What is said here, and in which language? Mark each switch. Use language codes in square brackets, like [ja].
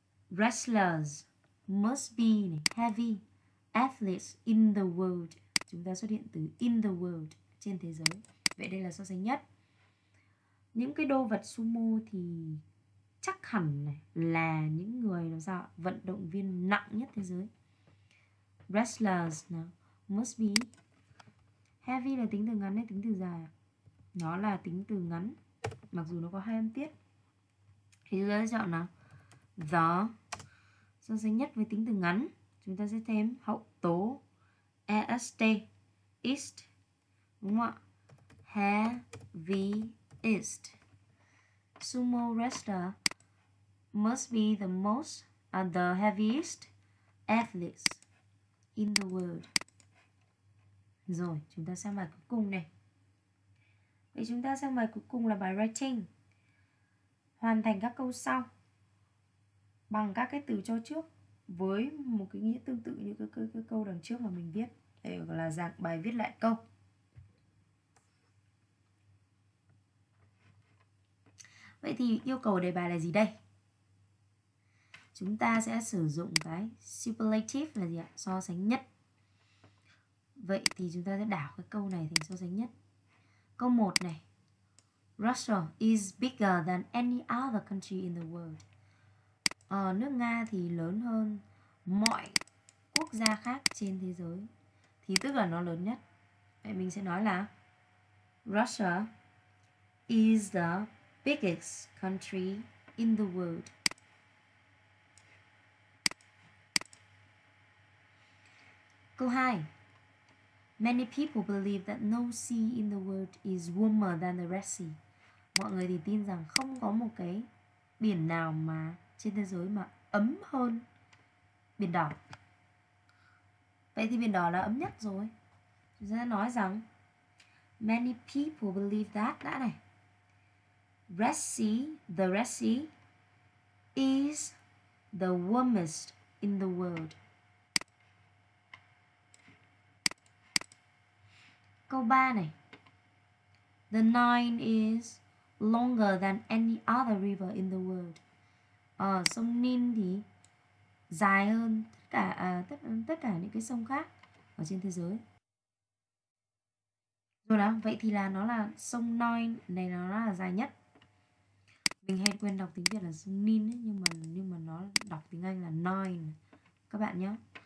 [en] Wrestlers must be [vi] này, [en] heavy athletes in the world. [vi] Chúng ta xuất hiện từ [en] in the world, [vi] trên thế giới. Vậy đây là so sánh nhất. Những cái đồ vật sumo thì chắc hẳn này là những người làm sao vận động viên nặng nhất thế giới. Wrestlers nào, [en] must be heavy [vi] là tính từ ngắn hay tính từ dài? Nó là tính từ ngắn, mặc dù nó có hai âm tiết. Thì chúng ta sẽ chọn nào, the, so sánh nhất với tính từ ngắn. Chúng ta sẽ thêm hậu tố est, east, đúng không ạ? [en] Heaviest. Sumo wrestler must be the most the heaviest athletes in the world. [vi] Rồi, chúng ta sang bài cuối cùng này. Vậy chúng ta sang bài cuối cùng là bài writing. Hoàn thành các câu sau bằng các cái từ cho trước với một cái nghĩa tương tự như cái câu đằng trước mà mình viết. Đây gọi là dạng bài viết lại câu. Vậy thì yêu cầu đề bài là gì đây? Chúng ta sẽ sử dụng cái superlative là gì ạ? So sánh nhất. Vậy thì chúng ta sẽ đảo cái câu này thành so sánh nhất. Câu 1 này. [en] Russia is bigger than any other country in the world. [vi] Nước Nga thì lớn hơn mọi quốc gia khác trên thế giới. Thì tức là nó lớn nhất. Vậy mình sẽ nói là [en] Russia is the biggest country in the world. [vi] Câu 2. [en] Many people believe that no sea in the world is warmer than the Red Sea. [vi] Mọi người thì tin rằng không có một cái biển nào mà trên thế giới mà ấm hơn Biển Đỏ. Vậy thì Biển Đỏ là ấm nhất rồi. Chúng ta nói rằng [en] many people believe that, [vi] đã này, [en] Red Sea, the Red Sea is the warmest in the world. [vi] Câu 3 này. [en] The Nile is longer than any other river in the world. [vi] Sông Ninh thì dài hơn tất cả những cái sông khác ở trên thế giới. Rồi nào, vậy thì là nó là sông Nile này, nó là dài nhất. Mình hay quên đọc tiếng Việt là sông Ninh ấy, nhưng mà nó đọc tiếng Anh là Nile các bạn nhé.